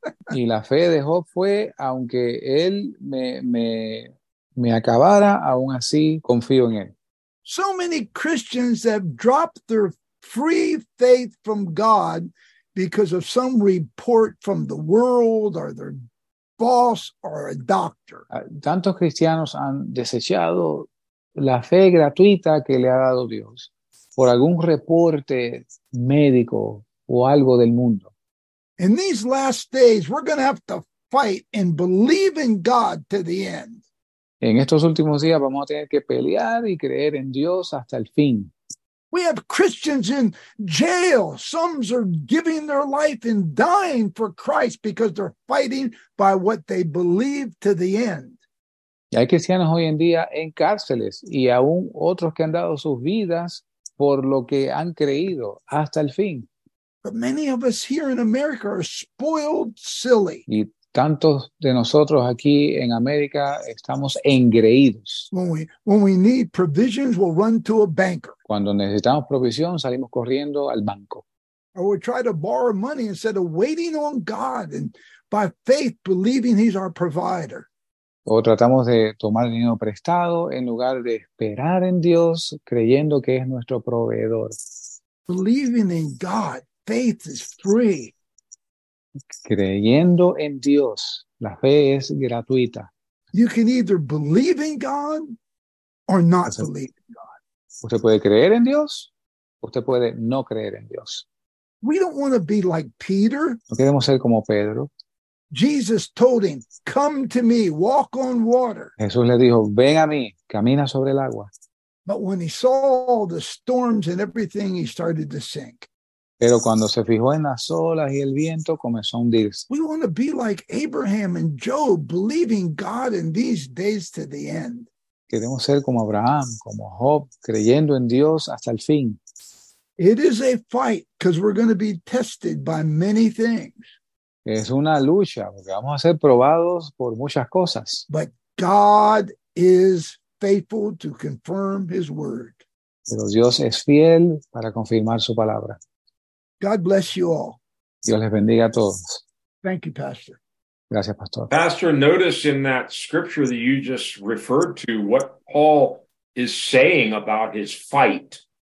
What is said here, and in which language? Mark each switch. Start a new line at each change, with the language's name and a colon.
Spanish: Y la fe de Job fue, aunque él me acabara, aún así confío en él.
English: So many Christians have dropped their free faith from God because of some report from the world or their boss or a doctor.
Spanish: Tantos cristianos han desechado la fe gratuita que le ha dado Dios por algún reporte médico o algo del mundo.
English: In these last days, we're going to have to fight and believe in God to the end.
Spanish: En estos últimos días vamos a tener que pelear y creer en Dios hasta el fin.
English: We have Christians in jail. Some are giving their life and dying for Christ because they're fighting by what they believe to the end.
Spanish: Y hay cristianos hoy en día en cárceles y aún otros que han dado sus vidas por lo que han creído hasta el fin.
English: But many of us here in America are spoiled silly.
Spanish: Y tantos de nosotros aquí en América estamos engreídos.
English: When we need provisions, we'll run to a banker.
Spanish: Cuando necesitamos provisión, salimos corriendo al banco.
English: Or we try to borrow money instead of waiting on God and by faith believing he's our provider.
Spanish: O tratamos de tomar dinero prestado en lugar de esperar en Dios creyendo que es nuestro proveedor.
English: Believing in God, faith is free.
Spanish: Creyendo en Dios, la fe es gratuita.
English: You can either believe in God or not believe in God.
Spanish: Usted puede creer en Dios, usted puede no creer en Dios.
English: We don't want to be like Peter.
Spanish: No queremos ser como Pedro.
English: Jesus told him, "Come to me, walk on water."
Spanish: Jesús le dijo, "Ven a mí, camina sobre el agua."
English: But when he saw all the storms and everything, he started to sink.
Spanish: Pero cuando se fijó en las olas y el viento, comenzó a hundirse.
English: We want to be like Abraham and Job, believing God in these days to the end.
Spanish: Queremos ser como Abraham, como Job, creyendo en Dios hasta el fin.
English: It is a fight because we're going to be tested by many things.
Spanish: Es una lucha porque vamos a ser probados por muchas cosas.
English: But God is faithful to confirm his word.
Spanish: Pero Dios es fiel para confirmar su palabra.
English: God bless you all.
Spanish: Dios les bendiga a todos.
English: Thank you, Pastor.
Spanish: Gracias, Pastor.
English: Pastor, notice in that scripture that you just referred to what Paul is saying about his fight.